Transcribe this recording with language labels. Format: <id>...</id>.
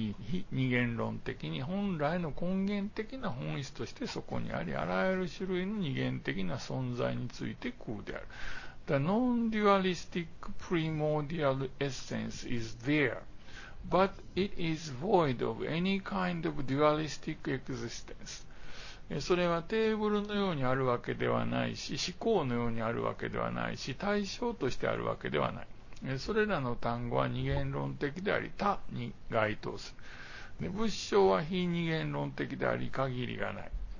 <ja>非二元論的に本来の根源的な本質としてそこにあり、あらゆる種類の二元的な存在について空である。</ja> <en>The non-dualistic primordial essence is there. But it is void of any kind of dualistic existence.</en> <ja>それはテーブルのようにあるわけではないし、思考のようにあるわけではないし、対象としてあるわけではない。それらの単語は二元論的であり、他に該当する。で、物証は非二元論的であり、限りがない。</ja>